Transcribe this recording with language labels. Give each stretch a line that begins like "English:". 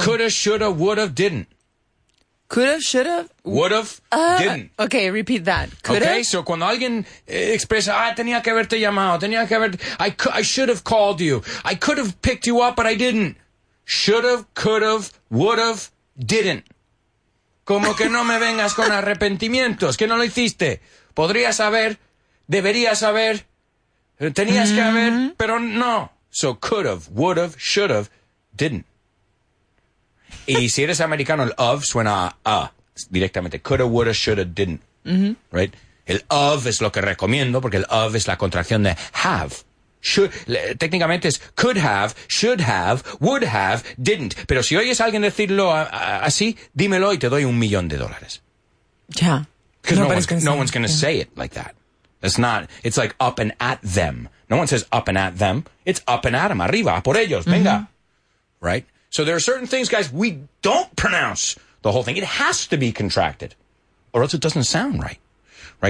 English: Could have, should have, would have, didn't. Could have, should have. Would have, didn't. Okay, repeat that. Could okay, have?
Spanish: So cuando alguien expresa, tenía que haberte llamado, tenía que haber, I should have called you.
English: I could have picked you up, but I didn't. Should have, could have, would have, didn't.
Spanish: Como que no me vengas con arrepentimientos, que no lo hiciste. Podrías haber, deberías haber, tenías mm-hmm. que haber, pero no.
English: So could have, would have, should have, didn't.
Spanish: Y si eres americano, el of suena a directamente.
English: Coulda, woulda, shoulda, didn't. Mm-hmm. Right?
Spanish: El of es lo que recomiendo porque el of es la contracción de have.
English: Should, técnicamente es could have, should have, would have, didn't.
Spanish: Pero si oyes a alguien decirlo así, dímelo y te doy $1,000,000.
English: Yeah. Because no one's going to yeah. say it like that. It's not, it's like up and at them. No one says up and at them. It's up and at them, arriba, por ellos, venga. Mm-hmm. Right? So there are certain things, guys, we don't pronounce the whole thing. It has to be contracted or else it doesn't sound right. Right?